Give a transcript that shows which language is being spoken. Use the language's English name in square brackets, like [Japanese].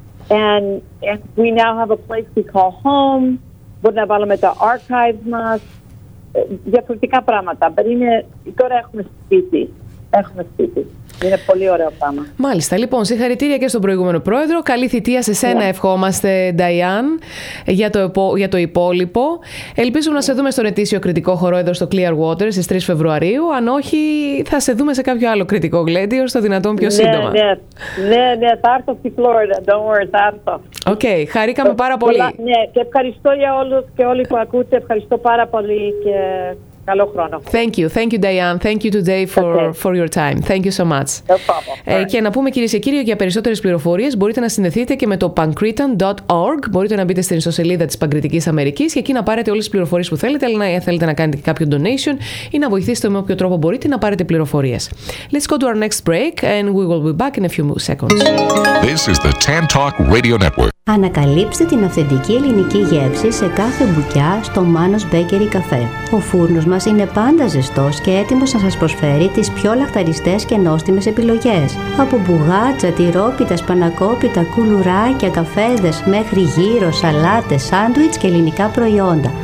[English] And we now have a place we call home. [Greek] Μπορεί να βάλουμε τα archives μας. Διαφορετικά πράγματα. Τώρα έχουμε σπίτι. Είναι πολύ ωραίο πράγμα. Μάλιστα. Λοιπόν, συγχαρητήρια και στον προηγούμενο πρόεδρο. Καλή θητεία σε σένα, ευχόμαστε, Νταϊάν, για το υπόλοιπο. Ελπίζουμε να σε δούμε στον ετήσιο κριτικό χορό εδώ στο Clear Water στις 3 Φεβρουαρίου. Αν όχι, θα σε δούμε σε κάποιο άλλο κριτικό γλέντιο, στο δυνατόν πιο σύντομα. Ναι, θα έρθω στη Φλόριντα. [English] Don't worry, [Greek] θα έρθω. Οκ, χαρήκαμε πάρα πολύ. Ναι, και ευχαριστώ για όλους και όλοι που ακούτε. Ευχαριστώ πάρα πολύ και καλό χρόνο. [English] Thank you, Diane. Thank you today for your time. Thank you so much. No problem. [Greek] Και να πούμε, κυρίες και κύριοι, για περισσότερες πληροφορίες μπορείτε να συνδεθείτε και με το pancreatin.org. Μπορείτε να μπείτε στην ιστοσελίδα της Παγκριτικής Αμερικής και εκεί να πάρετε όλες τις πληροφορίες που θέλετε. Αλλά αν θέλετε να κάνετε κάποιο donation ή να βοηθήσετε με όποιο τρόπο μπορείτε να πάρετε πληροφορίες. [English] Let's go to our next break and we will be back in a few seconds. This is the TAN Talk Radio Network. [Greek] Ανακαλύψτε την αυθεντική ελληνική γεύση σε κάθε μπουκιά στο Manos Bakery Cafe. Ο φούρνος μας είναι πάντα ζεστός και έτοιμος να σας προσφέρει τις πιο λαχταριστές και νόστιμες επιλογές. Από μπουγάτσα, τυρόπιτα, σπανακόπιτα, κουλουράκια, καφέδες, μέχρι γύρω, σαλάτες, σάντουιτς και ελληνικά προϊόντα.